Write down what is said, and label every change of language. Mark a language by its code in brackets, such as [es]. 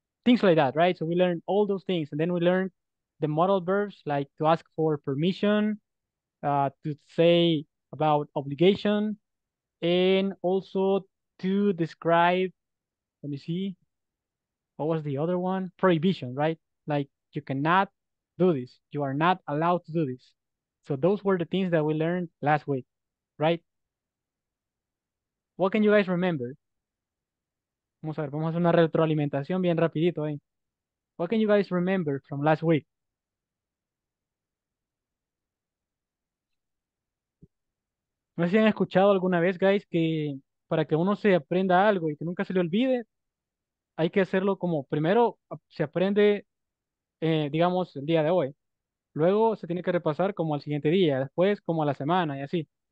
[en] Things like that, right? So we learned all those things. And then we learned the modal verbs, like to ask for permission, to say about obligation, and also to describe, let me see, what was the other one? Prohibition, right? Like you cannot do this. You are not allowed to do this. So those were the things that we learned last week, right? What can you guys remember? [es] Vamos a ver, vamos a hacer una retroalimentación bien rapidito ahí. [en] What can you guys remember from last week? [es] No sé si han escuchado alguna vez, guys, que para que uno se aprenda algo y que nunca se le olvide, hay que hacerlo como primero se aprende, digamos, el día de hoy. Luego se tiene que repasar como al siguiente día, después como a la semana y así.